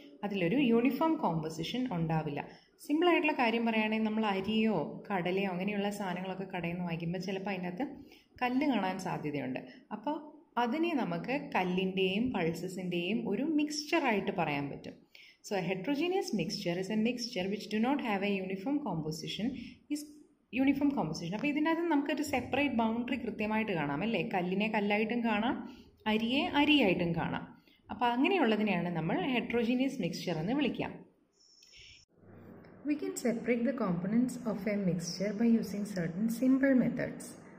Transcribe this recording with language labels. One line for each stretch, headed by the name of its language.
Malayalam: അതിലൊരു uniform composition ഉണ്ടാവില്ല. സിമ്പിളായിട്ടുള്ള കാര്യം പറയുകയാണെങ്കിൽ നമ്മൾ അരിയോ കടലയോ അങ്ങനെയുള്ള സാധനങ്ങളൊക്കെ കടയിൽ നിന്ന് വാങ്ങിക്കുമ്പോൾ ചിലപ്പോൾ അതിനകത്ത് കല്ല് കാണാൻ സാധ്യതയുണ്ട്. അപ്പോൾ അതിനെ നമുക്ക് കല്ലിൻ്റെയും പൾസസിൻ്റെയും ഒരു മിക്സ്ചറായിട്ട് പറയാൻ പറ്റും.
English: So a heterogeneous mixture is a mixture which do not have a uniform composition is uniform composition.
Malayalam: അപ്പോൾ ഇതിനകത്ത് നമുക്ക് ഒരു സെപ്പറേറ്റ് ബൗണ്ടറി കൃത്യമായിട്ട് കാണാം അല്ലേ. കല്ലിനെ കല്ലായിട്ടും കാണാം, അരിയെ അരിയായിട്ടും കാണാം. അപ്പോൾ അങ്ങനെയുള്ളതിനെയാണ് നമ്മൾ ഹെട്രോജീനിയസ് മിക്സ്ചർ എന്ന് വിളിക്കുക.
English: We can separate the components of a mixture by using certain simple methods.